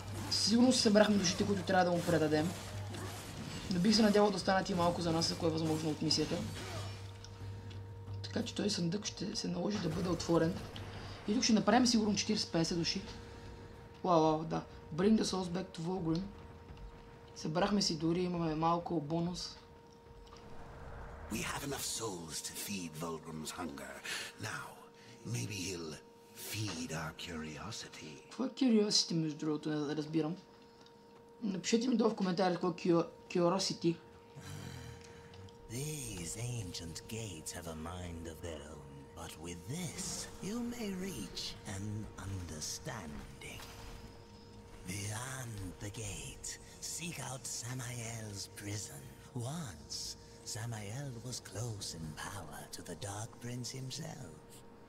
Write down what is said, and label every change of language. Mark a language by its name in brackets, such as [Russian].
[Bulgarian] Сигурно се събрахме душите, които трябва да му предадем. Но бих се надявал да останат и малко за нас, ако е възможно от мисията. Така че този съндък ще се наложи да бъде отворен. И тук ще направим сигурно 40-50 души. Вау, да. [English] Bring the souls back to Volgrim. [Bulgarian] Събрахме си дори, имаме малко бонус. [English] We have enough souls to feed Volgrim's hunger. Now, maybe he'll feed our curiosity. [Bulgarian] Какво е curiosity, между другото, не да разбирам. Напишете ми долу в коментарите какво е curiosity. [English] These ancient gates have a mind of their own, but with this, you may reach an understanding. Beyond the gate, seek out Samael's prison. Once, Samael was close in power to the Dark Prince himself.